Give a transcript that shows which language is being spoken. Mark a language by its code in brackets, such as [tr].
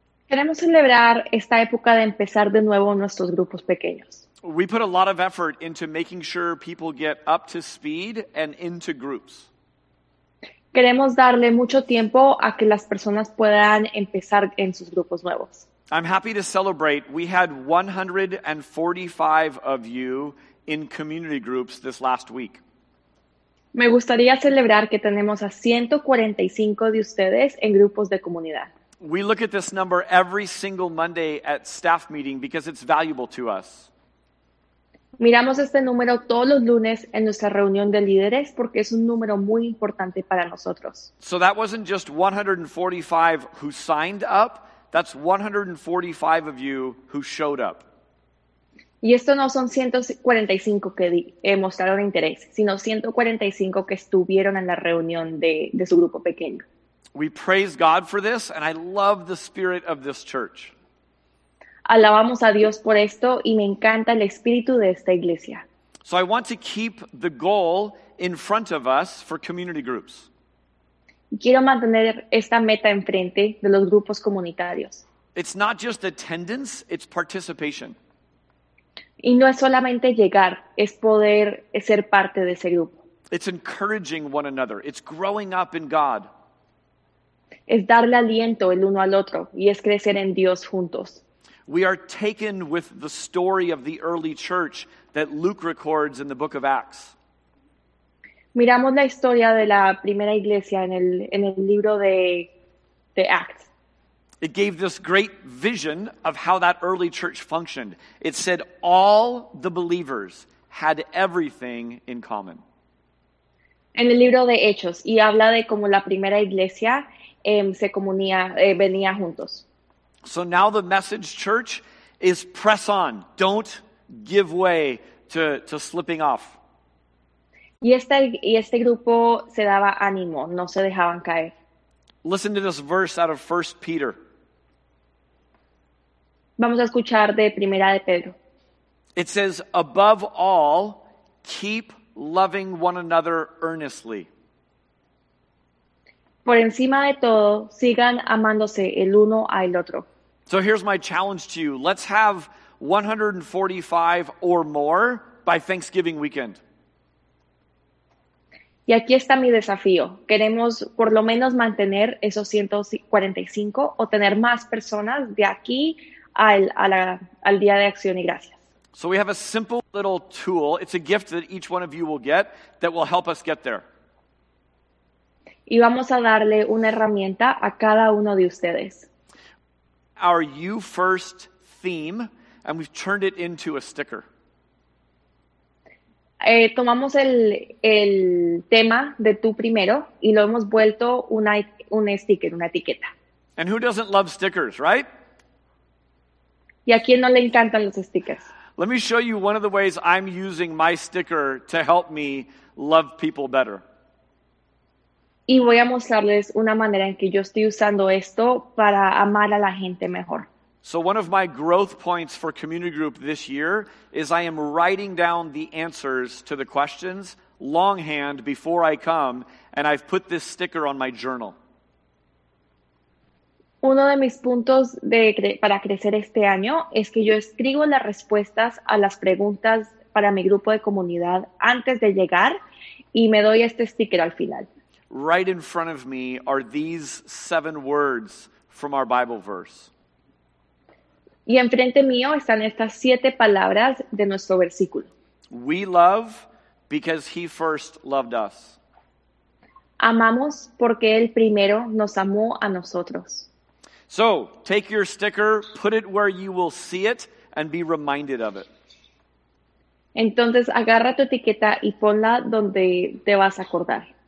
[es] Queremos celebrar esta época de empezar de nuevo nuestros grupos pequeños. [en] We put a lot of effort into making sure people get up to speed and into groups. [es] Queremos darle mucho tiempo a que las personas puedan empezar en sus grupos nuevos. [en] I'm happy to celebrate. We had 145 of you in community groups this last week. [es] Me gustaría celebrar que tenemos a 145 de ustedes en grupos de comunidad. [en] We look at this number every single Monday at staff meeting because it's valuable to us. [es] Miramos este número todos los lunes en nuestra reunión de líderes porque es un número muy importante para nosotros. [en] So that wasn't just 145 who signed up, that's 145 of you who showed up. [es] Y esto no son 145 que mostraron interés, sino 145 que estuvieron en la reunión de su grupo pequeño. [en] We praise God for this, and I love the spirit of this church. [es] Alabamos a Dios por esto, y me encanta el espíritu de esta iglesia. [en] So I want to keep the goal in front of us for community groups. [es] Quiero mantener esta meta enfrente de los grupos comunitarios. [en] It's not just attendance, it's participation. [es] Y no es solamente llegar, es poder ser parte de ese grupo. [en] It's encouraging one another, it's growing up in God. [es] Es darle aliento el uno al otro y es crecer en Dios juntos. [en] We are taken with the story of the early church that Luke records in the book of Acts. [es] Miramos la historia de la primera iglesia en el libro de Acts. [en] It gave this great vision of how that early church functioned. It said all the believers had everything in common. [es] En el libro de Hechos y habla de cómo la primera iglesia venía juntos. [en] So now the message, church, is press on. Don't give way to slipping off. [es] Y este grupo se daba ánimo, no se dejaban caer. [en] Listen to this verse out of 1 Peter. [es] Vamos a escuchar de Primera de Pedro. [en] It says, "Above all, keep loving one another earnestly." [es] Por encima de todo, sigan amándose el uno al otro. [en] So here's my challenge to you. Let's have 145 or more by Thanksgiving weekend. [es] Y aquí está mi desafío. Queremos por lo menos mantener esos 145 o tener más personas de aquí al Día de Acción y Gracias. [en] So we have a simple little tool. It's a gift that each one of you will get that will help us get there. [es] Y vamos a darle una herramienta a cada uno de ustedes. [en] Our You First theme, and we've turned it into a sticker. [es] Tomamos el tema de Tú Primero y lo hemos vuelto un sticker, una etiqueta. [en] And who doesn't love stickers, right? [es] ¿Y a quién no le encantan los stickers? [en] Let me show you one of the ways I'm using my sticker to help me love people better. [es] y voy a mostrarles una manera en que yo estoy usando esto para amar a la gente mejor. [en] So one of my growth points for community group this year is I am writing down the answers to the questions longhand before I come, and I've put this sticker on my journal. [es] Uno de mis puntos para crecer este año es que yo escribo las respuestas a las preguntas para mi grupo de comunidad antes de llegar y me doy este sticker al final. [en] Right in front of me are these seven words from our Bible verse. [es] Y enfrente mío están estas siete palabras de nuestro versículo. [en] We love because he first loved us. [es] Amamos porque él primero nos amó a nosotros. [en] So, take your sticker, put it where you will see it, and be reminded of it. [es] Entonces, agarra tu etiqueta y ponla donde te vas a acordar.